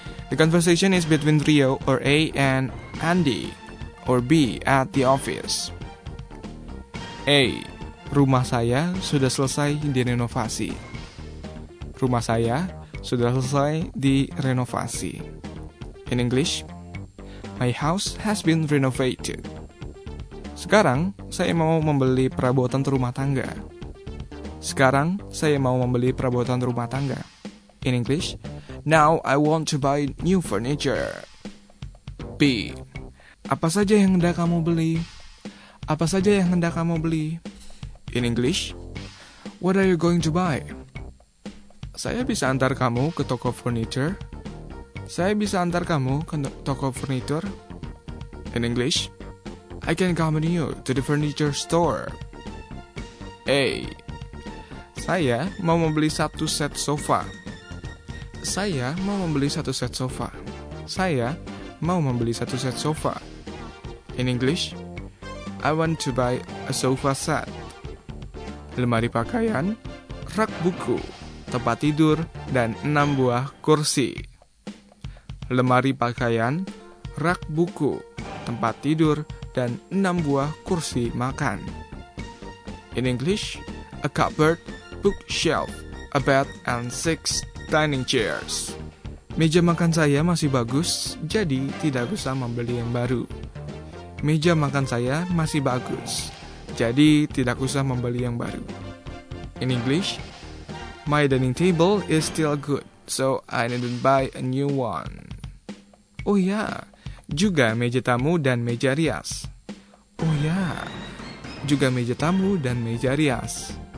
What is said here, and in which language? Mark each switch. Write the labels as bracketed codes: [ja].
[en] The conversation is between Rio, or A, and Andy, or B, at the office. [id] A, rumah saya sudah selesai direnovasi. Rumah saya sudah selesai direnovasi. [en] In English, my house has been renovated. [id] Sekarang, saya mau membeli perabotan rumah tangga. Sekarang, saya mau membeli perabotan rumah tangga. [en] In English, now I want to buy new furniture. B. [id] Apa saja yang hendak kamu beli? Apa saja yang hendak kamu beli? [en] In English, what are you going to buy? [id] Saya bisa antar kamu ke toko furniture. Saya bisa antar kamu ke toko furniture. [en] In English, I can accompany you to the furniture store. [id] A. Saya mau membeli satu set sofa. Saya mau membeli satu set sofa. Saya mau membeli satu set sofa. [en] In English, I want to buy a sofa set. [id] Lemari pakaian, rak buku, tempat tidur, dan 6 buah kursi. Lemari pakaian, rak buku, tempat tidur, dan 6 buah kursi makan. [en] In English, a cupboard, bookshelf, a bed, and 6 dining chairs. [id] Meja makan saya masih bagus, jadi tidak usah membeli yang baru. Meja makan saya masih bagus, jadi tidak usah membeli yang baru. [en] In English, my dining table is still good, so I needn't buy a new one. [id] Oh ya, juga meja tamu dan meja rias. Oh ya, juga meja tamu dan meja rias.